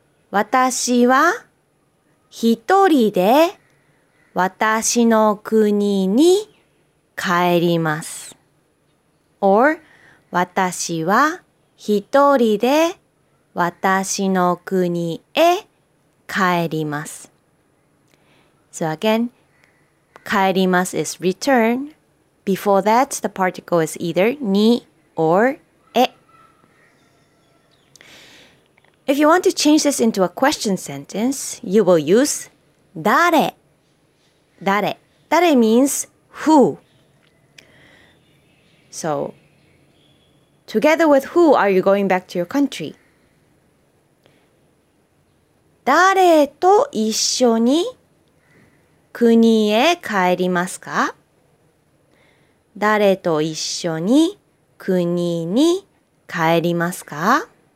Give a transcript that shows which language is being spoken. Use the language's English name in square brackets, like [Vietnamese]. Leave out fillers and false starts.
[Japanese] 私は一人で私の国に帰ります。 [English] Or [Japanese] 私は一人で私の国へ帰ります。 [English] So again, 帰ります is return. Before that, the particle is either に or へ。 If you want to change this into a question sentence, you will use 誰。誰。誰 means who. So, together with who are you going back to your country? [Japanese] 誰と一緒に国へ帰りますか? 誰と一緒に国に帰りますか?